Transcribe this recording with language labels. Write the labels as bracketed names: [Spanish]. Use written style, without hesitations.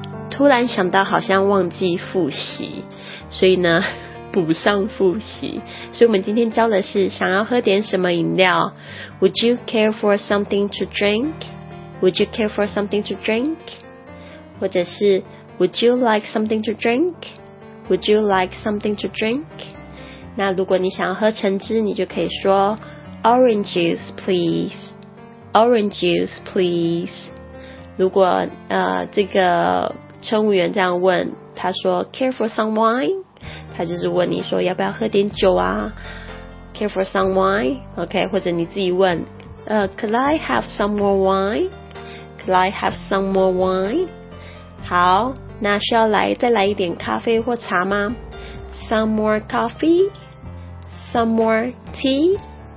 [Chinese] 突然想到好像忘记复习，所以呢补上复习，所以我们今天教的是想要喝点什么饮料， [English] Would you care for something to drink? Would you care for something to drink? [Chinese] 或者是 [English] Would you like something to drink? Would you like something to drink? [Chinese] 那如果你想要喝橙汁，你就可以说 [English] Orange juice please Orange juice please。 [Chinese] 如果这个乘务员这样问，他说 [English] care for some wine， [Chinese] 他就是问你说要不要喝点酒啊， care for some wine， OK， 或者你自己问 [English] could I have some more wine， [Chinese] could I have some more wine。好，那需要再来一点咖啡或茶吗？ [English] some more coffee， some more tea。